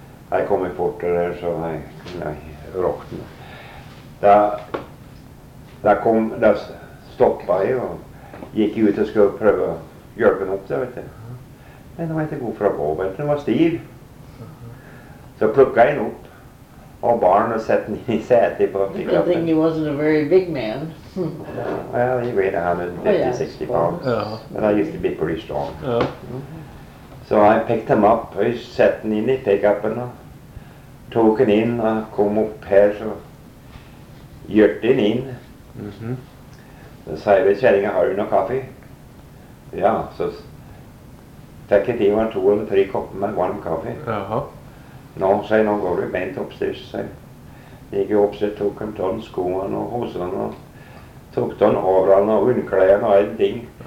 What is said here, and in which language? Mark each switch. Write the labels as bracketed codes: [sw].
[no] Jeg kom i portet der, så jeg råkte den. Da kom, da stoppet jeg, [sv] og gick ut och skulle pröva hjälpen upp det, vet du. Men den var inte god för att gå, vet du. Den var stiv. Så plockade jag en upp. Och barnen sätter den i sätet på fickan. [en] Good thing he wasn't a very big man. Well, he weighed 150-60 pounds. But I used to be pretty strong. So I picked him up. [sv] Jag sätter den in i pickupen och tog den in och kom upp här så gjort den in. [no] Så sa jeg, kjæringen, har du noe kaffe? Ja, så fikk jeg til meg to eller tre kopper med varm kaffe. Nå, sier, nå går du bent oppstyrs, sier. Gikk jo oppstyrs, tok han tånd skoene og hosene og tok tånd årene og underklærene og en ting.